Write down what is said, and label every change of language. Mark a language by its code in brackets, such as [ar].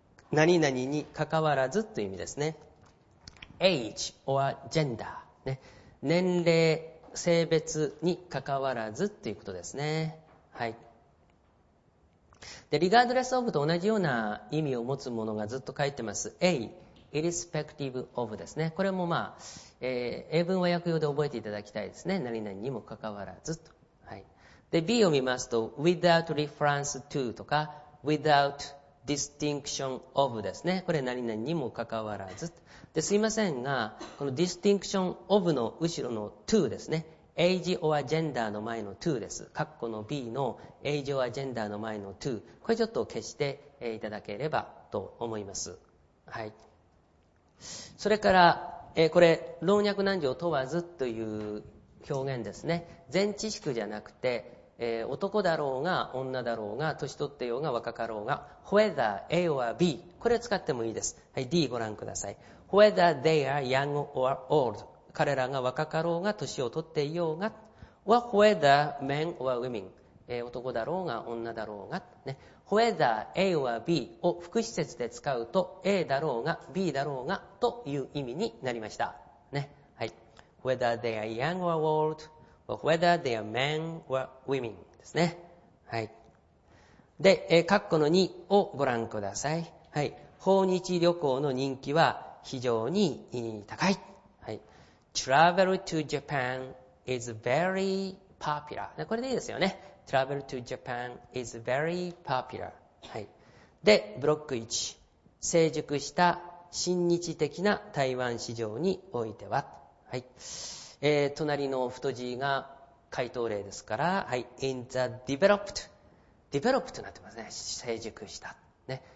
[ja] 何々に関わらずという意味ですね。 [en] age or gender、 [ja] ね、年齢、性別に関わらずということですね。はい、で、regardless of と同じような意味を持つものがずっと書いてます。 A irrespective of ですね。これも、まあ、英文和訳用で覚えていただきたいですね。何々にもかかわらずと。はい、で、 B を見ますと [en] without reference to [ja] とか [en] without distinction of [ja] ですね。これ何々にもかかわらずと。で、すいませんが、この distinction of の後ろの to ですね、 [en] age or gender [ja] の前の to です。括弧の B の [en] age or gender [ja] の前の to。これちょっと消していただければと思います。はい。それから、これ、老若男女を問わずという表現ですね。全知識じゃなくて、男だろうが、女だろうが、年取ってようが、若かろうが、 [en] whether A or B。 [ja] これを使ってもいいです。はい、D ご覧ください。 [en] whether they are young or old。 [ja] 彼らが若かろうが年を取っていようが、は [en] whether men or women、 [ja] 男だろうが女だろうが、ね、 [en] whether A or B [ja] を副詞節で使うと A だろうが B だろうがという意味になりました、ね。はい、 [en] whether they are young or old or whether they are men or women [ja] ですね。はい、で、括弧の2をご覧ください。はい、訪日旅行の人気は非常に高い。 [en] Travel to Japan is very popular. [ja] これでいいですよね。 [en] Travel to Japan is very popular. [ja] はい。で、ブロック1。成熟した親日的な台湾市場においては。はい。隣の太字が回答例ですから、はい。 [en] In the developed. [ja] Developed となってますね。成熟した。ね。